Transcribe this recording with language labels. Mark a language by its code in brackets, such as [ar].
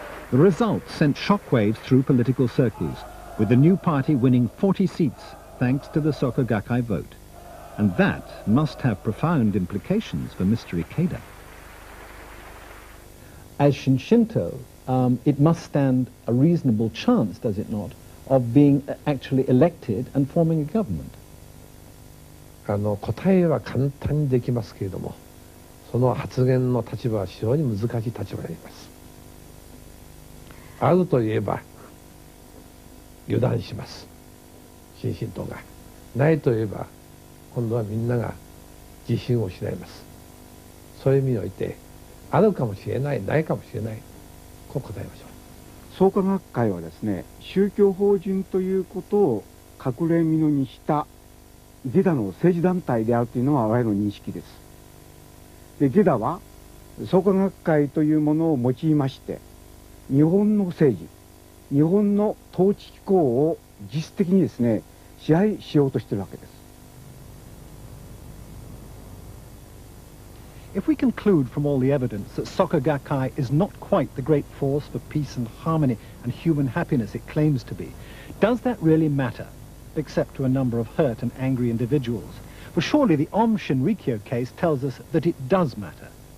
[en] The results sent shockwaves through political circles, with the new party winning 40 seats thanks to the Soka Gakkai vote. And that must have profound implications for Mr. Ikeda. As Shinshinto, it must stand a reasonable chance, does it not, of being actually elected and forming a government? [ja] 答えは簡単にできますけれども、その発言の立場は非常に難しい立場であります。あるといえば、油断します、Shinshinto が。ないといえば、今度はみんなが自信を失います。そういう意味において、あるかもしれない、ないかもしれない、こう答えましょう。創価学会はですね、宗教法人ということを隠れ蓑にした、イケダの政治団体であるというのは、我々の認識です。で、イケダは、創価学会というものを用いまして、日本の政治、日本の統治機構を実質的にですね、支配しようとしているわけです。 [en] If we conclude from all the evidence that Soka Gakkai is not quite the great force for peace and harmony and human happiness it claims to be, does that really matter, except to a number of hurt and angry individuals? For surely the Om Shinrikyo case tells us that it does matter.